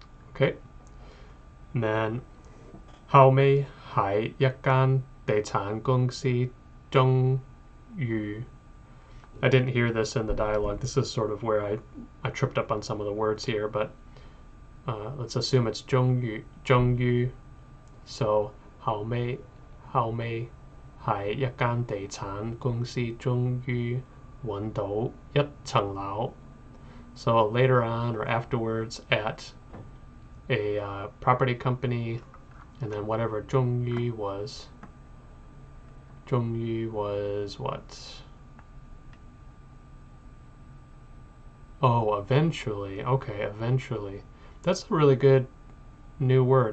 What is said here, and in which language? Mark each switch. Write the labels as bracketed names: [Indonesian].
[English] Okay. And then [Cantonese] 後尾喺一間地產公司終於, [English] I didn't hear this in the dialogue. This is sort of where I tripped up on some of the words here, but let's assume it's 終於. So [Cantonese] 後尾喺一間地產公司終於揾到一層樓. [English] So later on or afterwards at a property company, and then whatever 终于 was, 终于 was what? Oh, eventually. Okay, eventually. That's a really good new word.